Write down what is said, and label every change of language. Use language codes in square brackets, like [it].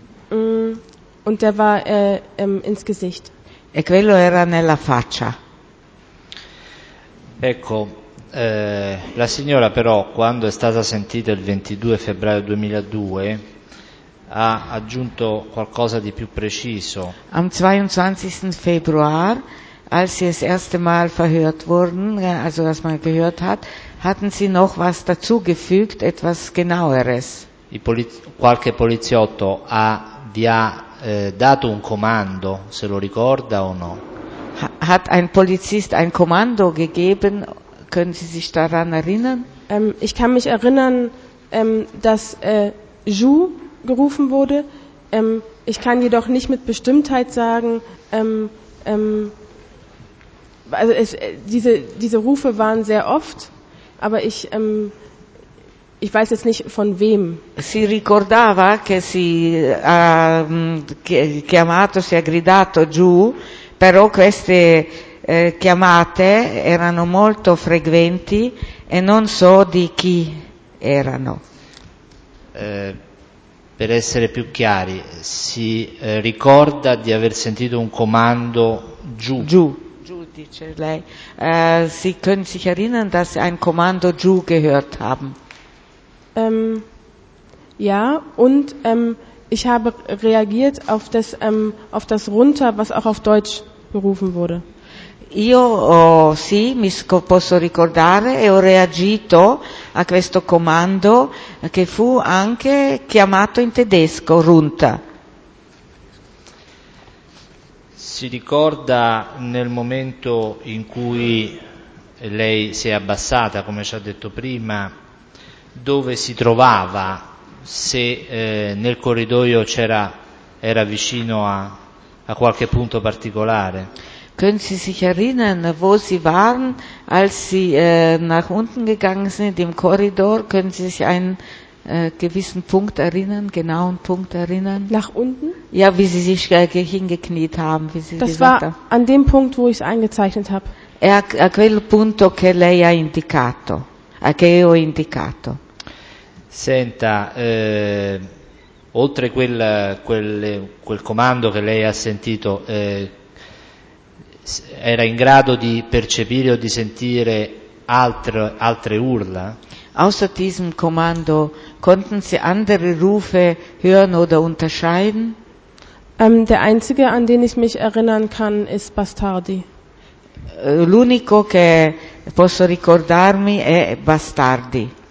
[de] Und der war ins Gesicht. [it] E quello era nella faccia. Ecco, la signora però, quando è stata sentita il 22 febbraio 2002, ha aggiunto qualcosa di più preciso. [de] Am 22. Februar, als sie das erste Mal verhört wurden, also was man gehört hat, hatten sie noch was dazugefügt, etwas genaueres. [it] Qualche poliziotto ha via dato un comando, se lo ricorda o no? [de] Hat ein Polizist ein Kommando gegeben? Können Sie sich daran erinnern? Ich kann mich erinnern, dass Ju gerufen wurde. Ich kann jedoch nicht mit Bestimmtheit sagen, also diese Rufe waren sehr oft, aber ich ich weiß jetzt nicht von wem. [it] Si ricordava che si ha chiamato, si ha gridato giù, però queste chiamate erano molto frequenti e non so di chi erano. Per essere più chiari, si ricorda di aver sentito un comando giù. Giù dice lei. [de] Sie können sich erinnern, dass sie ein Kommando giù gehört haben. Ja, und ich habe reagiert auf das runter, was auch auf Deutsch berufen wurde. [it] Io sì, mi posso ricordare e ho reagito a questo comando che fu anche chiamato in tedesco, runter. Si ricorda nel momento in cui lei si è abbassata, come ci ha detto prima, dove si trovava, se nel corridoio c'era, era vicino a qualche punto particolare? [de] Können Sie sich erinnern, wo Sie waren, als Sie nach unten gegangen sind im Korridor? Können Sie sich einen gewissen Punkt erinnern, genauen Punkt erinnern? Nach unten? Ja, wie Sie sich hingekniet haben. Wie Sie das war an dem Punkt, wo ich es eingezeichnet habe. [it] A quel punto che lei ha indicato, a che io ho indicato. Senta, oltre quel comando che lei ha sentito, era in grado di percepire o di sentire altre urla? [de] Außer diesem Kommando, konnten Sie andere Rufe hören oder unterscheiden? Der einzige, an den ich mich erinnern kann, ist Bastardi. [it] L'unico che posso ricordarmi è Bastardi.